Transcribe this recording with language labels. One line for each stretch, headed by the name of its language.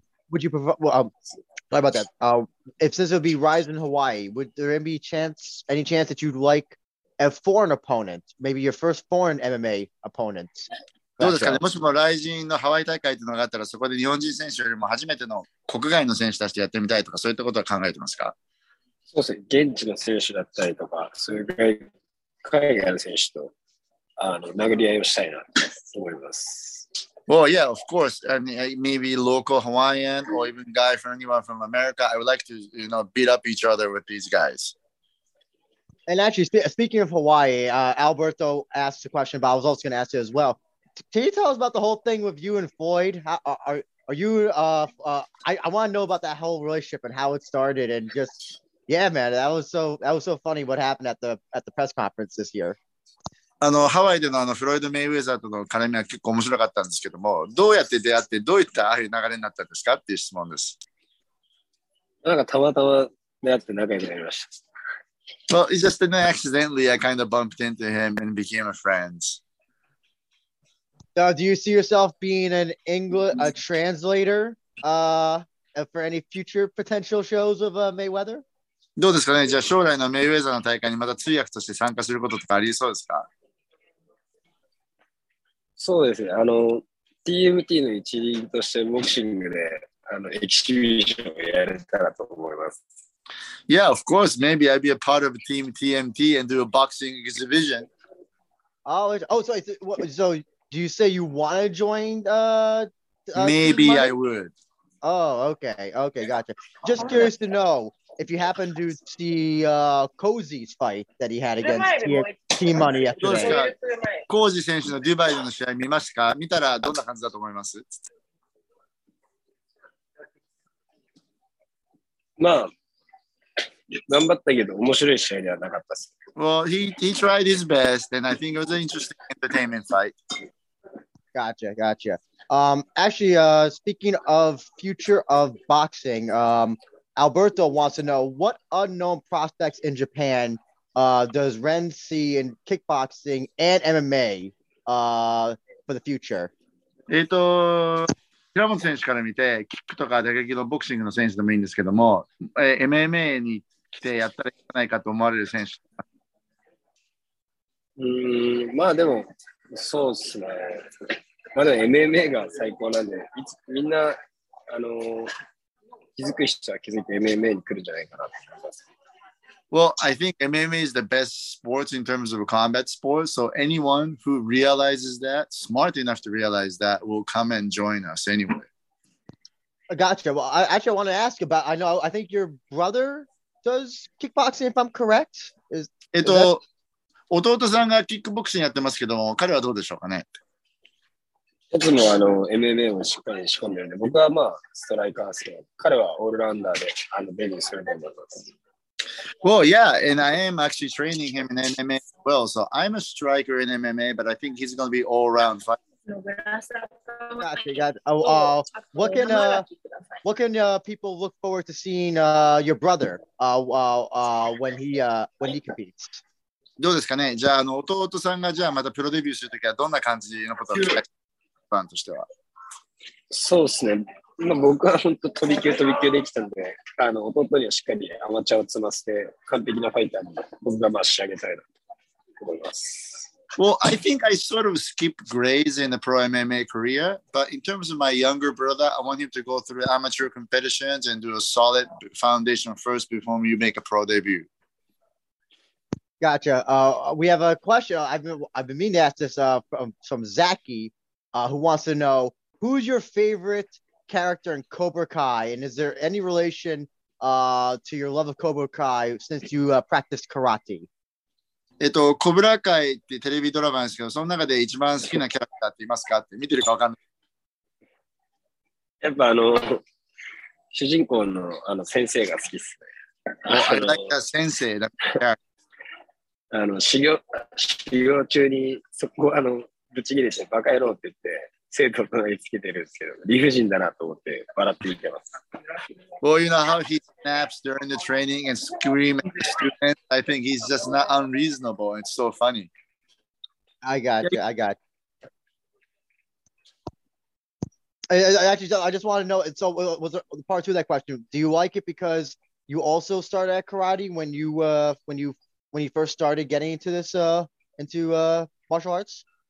English: Would you prefer, well, what about that? If this would be Rise in Hawaii, would there be any chance that you'd like a foreign opponent, maybe your first foreign MMA opponent?
Japanese: どうですかね、もしもライジンのハワイ大会というのがあったら、そこで日本人選手よりも初めての国外の選手たちとやってみたいとか、そういったことは考えてますか？そうですね、現地の選手だったりとか、そういう海外の選手と殴り合いをしたいなと思います。
English: Well, yeah, of course. I mean, maybe local Hawaiian or even guy from anyone from America. I would like to, you know, beat up each other with these guys. And actually, speaking of Hawaii, Alberto asked a question, but I was also going to ask you as well. Can you tell us about the whole thing with you and Floyd? I want to know about that whole relationship and how it started and just, yeah, man, that was so funny what happened at the press conference this year.
Japanese: ハワイでのフロイド・メイウェザーとの絡みは結構面白かったんですけども、どうやって出会って、どういったああいう流れになったんですかっていう質問です。なんかたまたま出会って仲良くなりました。
English: Well, it's just an accidentally I kind of bumped into him and became a friend. Now, do you see yourself being an English, a translator, for any future potential shows of Mayweather?
Japanese: どうですかね、じゃあ将来のメイウェザーの大会にまた通訳として参加することとかありそうですか？そうですね、TMT の一員としてボクシングでエキシビションをやれたらと思います。
English: Yeah, of course, maybe I'd be a part of a team TMT and do a boxing exhibition. So do you say you want to join? Maybe I would. Oh, okay, gotcha. Just curious to know, if you happen to see Cozy's fight that he had against Team Money yesterday.
Japanese: コージ選手のデュバイでの試合見ましたか？見たらどんな感じだと思います？まあ、頑張ったけど面白い試合ではなかったです。
English: Well, he tried his best, and I think it was an interesting entertainment fight. Gotcha. Actually, speaking of future of boxing, Alberto wants to know what unknown prospects in Japan does Ren see in kickboxing and MMA for the future?
Japanese: 平本選手から見て、キックとか打撃のボクシングの選手でもいいんですけども、MMA に来てやったらいいんじゃないかと思われる選手。まあでも、そうですね。まあでも MMA が最高なんで、いつみんな気づく人は気づいて MMA に来るんじゃないかなって思います。
English: Well, I think MMA is the best sports in terms of a combat sport. So anyone who realizes that, smart enough to realize that, will come and join us anyway. Gotcha. Well, I want to ask about, I think your brother does kickboxing, if I'm correct.
Japanese: Is 弟さんがキックボクシングやってますけども、彼はどうでしょうかね？いつも MMA をしっかり仕込んでるんで、僕はストライカーですけど、彼はオールラウンダーで、便利するものだと思います。
English: Well, yeah, and I am actually training him in MMA as well. So I'm a striker in MMA, but I think he's going to be all-around fighter. Gotcha. What can people look forward to seeing your brother when he competes?
Japanese: どうですかね。じゃあ弟さんがじゃあまたプロデビューするときはどんな感じのことを期待しますか？ファンとしては。そうですね。まあ、僕は本当に飛び級できたんで、弟にはしっかりアマチュアを積ませて、完璧なファイターに僕が仕上げたいなと思います。
English: Well, I think I sort of skipped grades in the pro MMA career, but in terms of my younger brother, I want him to go through amateur competitions and do a solid foundation first before you make a pro debut. Gotcha. We have a question. I've been meaning to ask this from Zaki, who wants to know, who's your favorite character in Cobra Kai, and is there any relation to your love of Cobra Kai since you practiced karate?
Japanese: Cobra Kai ってテレビドラマですけど、その中で一番好きなキャラクターっていますかって見てるかわかんない。やっぱ主人公のあの先生が好きっすね。あ、あの先生だ。あの修行中にそこあのぶち切れしてバカ野郎って言って生徒の隣つけてるんですけど、理不尽だなと思って笑って見てます。
English: Well, you know how he snaps during the training and scream at the students. I think he's just not unreasonable. It's so funny. I got you. I just want to know. And so, was there part two of that question? Do you like it because you also started at karate when you first started getting into this martial arts?